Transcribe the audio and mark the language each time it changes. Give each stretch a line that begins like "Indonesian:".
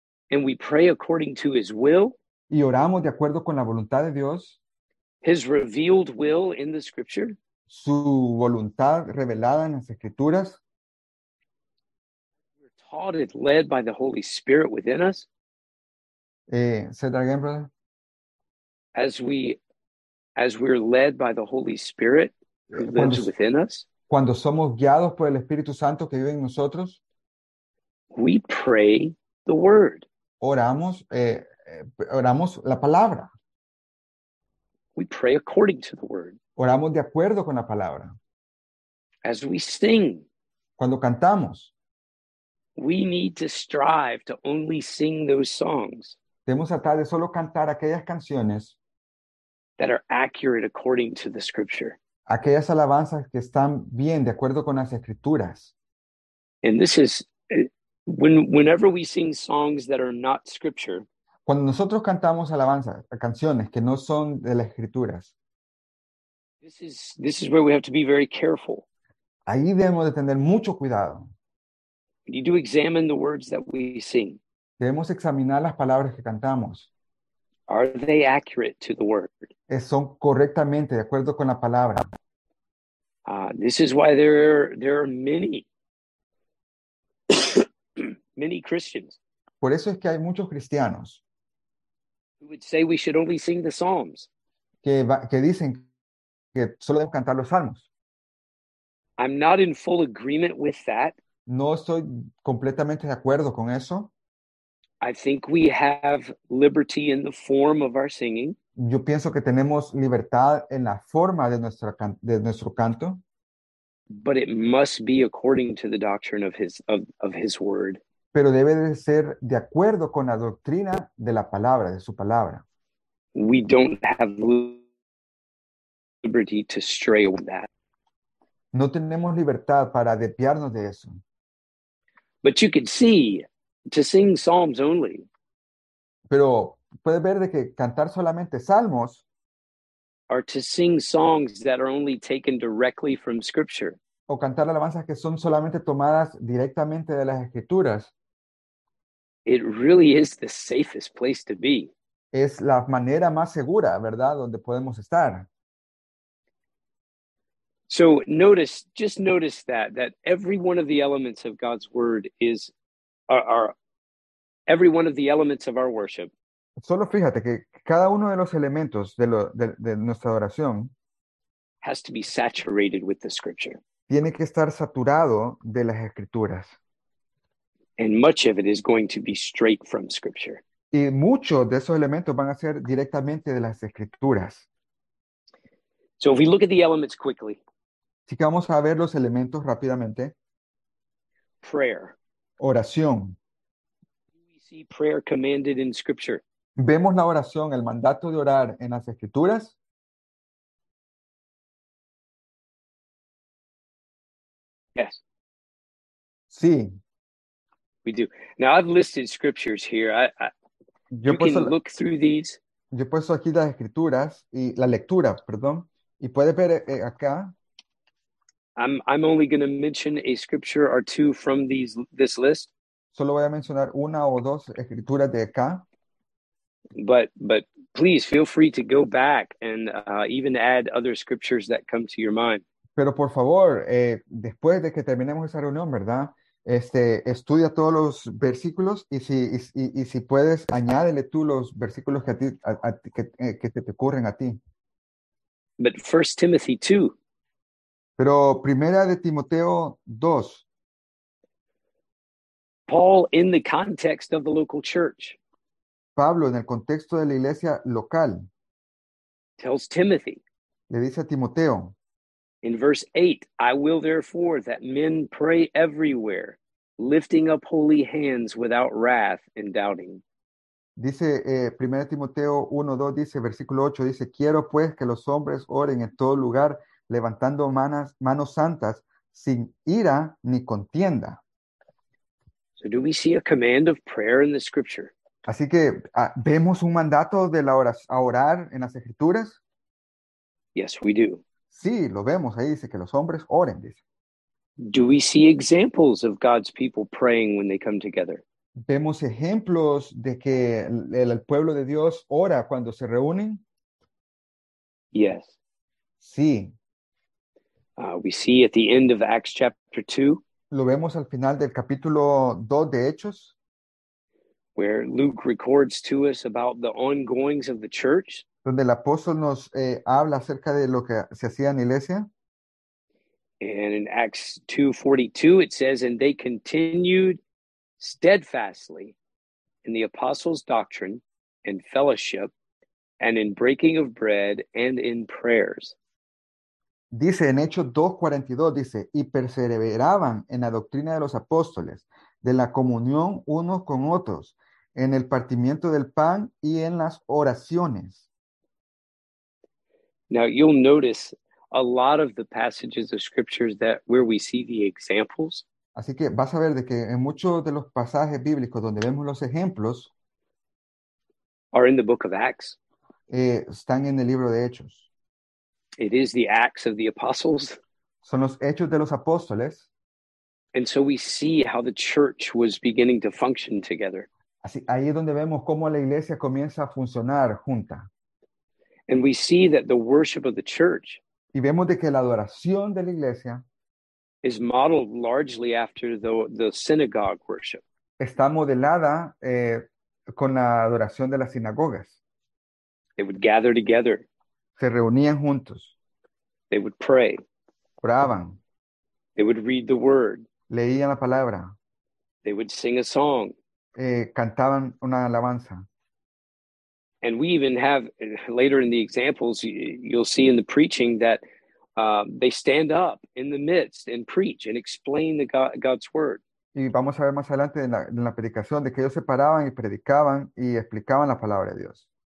English: And we pray according to his will.
Spanish: Y oramos de acuerdo con la voluntad de Dios.
English: His revealed will in the scripture.
Spanish: Su voluntad revelada en las escrituras.
English: We're taught and led by the Holy Spirit within us. Say that again, brother. As we're led by the Holy Spirit who lives within us.
Spanish: Cuando somos guiados por el Espíritu Santo que vive en nosotros.
English: We pray the word.
Spanish: Oramos la palabra.
English: We pray according to the word.
Spanish: Oramos de acuerdo con la palabra.
English: As we sing.
Spanish: Cuando cantamos.
English: We need to strive to only sing those songs.
Spanish: Debemos tratar de solo cantar aquellas canciones.
English: That are accurate according to the scripture.
Spanish: Aquellas alabanzas que están bien de acuerdo con las escrituras.
English: And this is... Whenever we sing songs that are not scripture,
Spanish: cuando nosotros cantamos alabanzas, canciones que no son de las escrituras,
English: this is where we have to be very careful.
Spanish: Ahí debemos de tener mucho cuidado.
English: We need to examine the words that we sing.
Spanish: Debemos examinar las palabras que cantamos.
English: Are they accurate to the word?
Spanish: ¿Son correctamente de acuerdo con la palabra?
English: This is why there are many. Many Christians.
Spanish: Por eso es que hay muchos cristianos.
English: Who would say we should only sing the Psalms.
Spanish: Que dicen que solo debemos cantar los salmos.
English: I'm not in full agreement with that.
Spanish: No estoy completamente de acuerdo con eso.
English: I think we have liberty in the form of our singing.
Spanish: Yo pienso que tenemos libertad en la forma de nuestro canto.
English: But it must be according to the doctrine of his word.
Spanish: Pero debe de ser de acuerdo con la doctrina de la palabra, de su palabra.
English: We don't have liberty to stray from that.
Spanish: No tenemos libertad para desviarnos de eso.
English: But you can see, to sing psalms only.
Spanish: Pero puede ver de que cantar solamente salmos.
English: Or to sing songs that are only taken directly from scripture.
Spanish: O cantar alabanzas que son solamente tomadas directamente de las escrituras.
English: It really is the safest place to be.
Spanish: Es la manera más segura, ¿verdad? Donde podemos estar.
English: So notice that every one of the elements of God's word is are every one of the elements of our worship.
Spanish: Solo fíjate que cada uno de los elementos de nuestra adoración
English: has to be saturated with the scripture.
Spanish: Tiene que estar saturado de las escrituras.
English: And much of it is going to be straight from scripture.
Spanish: Y mucho de esos elementos van a ser directamente de las escrituras.
English: So if we look at the elements quickly.
Spanish: Así que vamos a ver los elementos rápidamente.
English: prayer.
Spanish: Oración.
English: We see prayer commanded in scripture.
Spanish: Vemos la oración, el mandato de orar en las escrituras.
English: Yes.
Spanish: Sí.
English: We do. Now I've listed scriptures here. You can look through these.
Spanish: Yo he puesto aquí las escrituras y la lectura, perdón, y puedes ver acá.
English: I'm only going to mention a scripture or two from this list.
Spanish: Solo voy a mencionar una o dos escrituras de acá.
English: But please feel free to go back and even add other scriptures that come to your mind.
Spanish: Pero por favor, después de que terminemos esa reunión, ¿verdad? Estudia todos los versículos y si puedes, añádele tú los versículos que te ocurren a ti.
English: But 1 Timothy 2.
Spanish: Pero Primera de Timoteo 2.
English: Paul in the context of the local church.
Spanish: Pablo en el contexto de la iglesia local.
English: Tells Timothy.
Spanish: Le dice a Timoteo.
English: In verse 8, I will therefore that men pray everywhere, lifting up holy hands without wrath and doubting.
Spanish: Dice 1 Timoteo 1, 2, dice versículo 8, dice, quiero pues que los hombres oren en todo lugar, levantando manos santas, sin ira ni contienda.
English: So do we see a command of prayer in the scripture?
Spanish: Así que, ¿vemos un mandato de la oración, a orar en las escrituras?
English: Yes, we do.
Spanish: Sí, lo vemos. Ahí dice que los hombres oren, dice.
English: Do we see examples of God's people praying when they come together?
Spanish: ¿Vemos ejemplos de que el pueblo de Dios ora cuando se reúnen?
English: Yes.
Spanish: Sí.
English: We see at the end of Acts chapter 2.
Spanish: Lo vemos al final del capítulo 2 de Hechos.
English: Where Luke records to us about the ongoings of the church.
Spanish: Donde el apóstol nos habla acerca de lo que se hacía en la iglesia.
English: And in Acts 2:42 it says, and they continued steadfastly in the apostles' doctrine and fellowship and in breaking of bread and in prayers.
Spanish: Dice en Hechos 2:42, dice, y perseveraban en la doctrina de los apóstoles, de la comunión unos con otros, en el partimiento del pan y en las oraciones.
English: Now you'll notice a lot of the passages of scriptures that where we see the examples.
Spanish: Así que vas a ver de que en muchos de los pasajes bíblicos donde vemos los ejemplos
English: are in the book of Acts.
Spanish: Están en el libro de Hechos.
English: It is the Acts of the Apostles.
Spanish: Son los Hechos de los Apóstoles.
English: And so we see how the church was beginning to function together.
Spanish: Así ahí es donde vemos cómo la iglesia comienza a funcionar junta.
English: And we see that the worship of the church
Spanish: y vemos de que la adoración de la iglesia
English: is modeled largely after the synagogue worship.
Spanish: Está modelada con la adoración de las sinagogas.
English: They would gather together.
Spanish: Se reunían juntos.
English: They would pray.
Spanish: Oraban.
English: They would read the word.
Spanish: Leían la palabra.
English: They would sing a song.
Spanish: Cantaban una alabanza.
English: And we even have, later in the examples, you'll see in the preaching that they stand up in the midst and preach and explain God's word.
Spanish: Y vamos a ver más adelante en la predicación de que ellos se paraban y predicaban y explicaban la palabra de Dios.